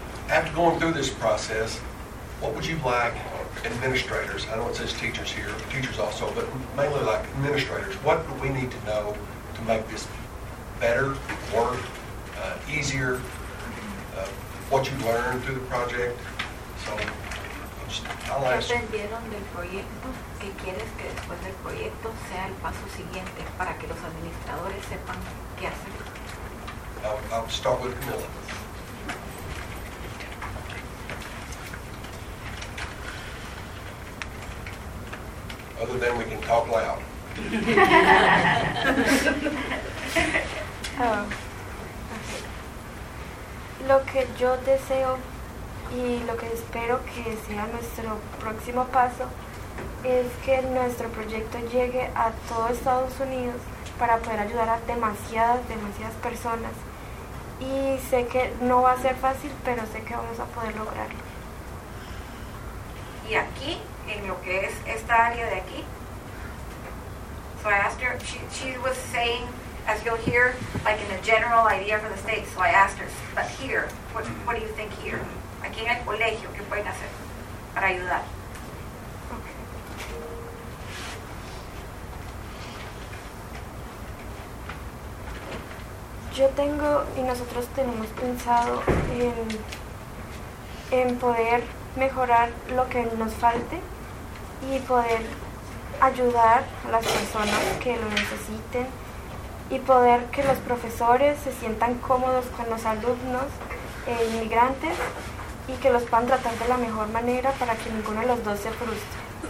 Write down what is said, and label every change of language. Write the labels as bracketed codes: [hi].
[en] After going through this process, what would you like administrators, I know it says teachers here, teachers also, but mainly like administrators, what do we need to know to make this better, work, easier, what you've learned through the project? So, I'll ask. [es] ¿Aprendieron del proyecto? ¿Qué quieres que después del proyecto sea el paso siguiente para que los administradores sepan qué hacer? [en] I'll start with Camila. Other than we can talk loud. [es] Lo que yo deseo y lo que espero que sea nuestro próximo paso es que nuestro proyecto llegue a todo Estados Unidos para poder ayudar a demasiadas personas. Y sé que no va a ser fácil, pero sé que vamos a poder lograrlo. Y aquí, en lo que es esta área de aquí. [en] So I asked her, she was saying, as you'll hear, like in a general idea for the state, so I asked her, but here, what do you think here? [es] Aquí en el colegio, ¿qué pueden hacer para ayudar? Yo tengo, y nosotros tenemos pensado en poder mejorar lo que nos falte y poder ayudar a las personas que lo necesiten y poder que los profesores se sientan cómodos con los alumnos inmigrantes y que los puedan tratar de la mejor manera para que ninguno de los dos se frustre.